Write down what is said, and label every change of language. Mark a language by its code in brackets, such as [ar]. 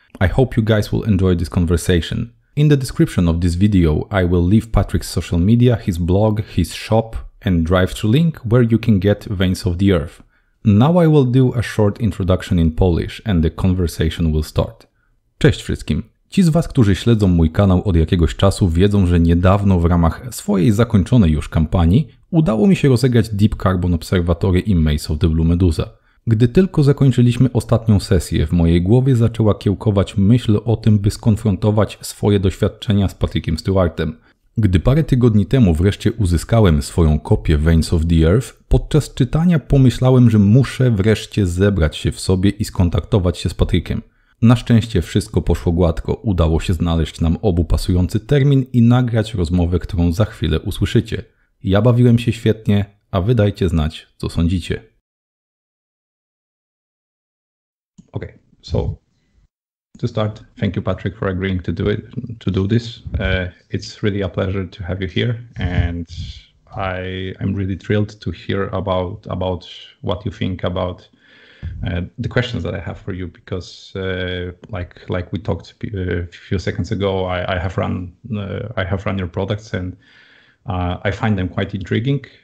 [en] I hope you guys will enjoy this conversation. In the description of this video, I will leave Patrick's social media, his blog, his shop and drive-thru link where you can get Veins of the Earth. Now I will do a short introduction in Polish and the conversation will start. [pl] Cześć wszystkim. Ci z was, którzy śledzą mój kanał od jakiegoś czasu, wiedzą, że niedawno w ramach swojej zakończonej już kampanii udało mi się rozegrać Deep Carbon Observatory i Maze of the Blue Medusa. Gdy tylko zakończyliśmy ostatnią sesję, w mojej głowie zaczęła kiełkować myśl o tym, by skonfrontować swoje doświadczenia z Patrickiem Stuartem. Gdy parę tygodni temu wreszcie uzyskałem swoją kopię Veins of the Earth, podczas czytania pomyślałem, że muszę wreszcie zebrać się w sobie i skontaktować się z Patrickiem. Na szczęście wszystko poszło gładko, udało się znaleźć nam obu pasujący termin i nagrać rozmowę, którą za chwilę usłyszycie. Ja bawiłem się świetnie, a wy dajcie znać, co sądzicie. [en] Okay, so to start, thank you, Patrick, for agreeing to do it, to do this. It's really a pleasure to have you here, and I'm really thrilled to hear about what you think about the questions that I have for you, because like we talked a few seconds ago, I have run your products, and I find them quite intriguing.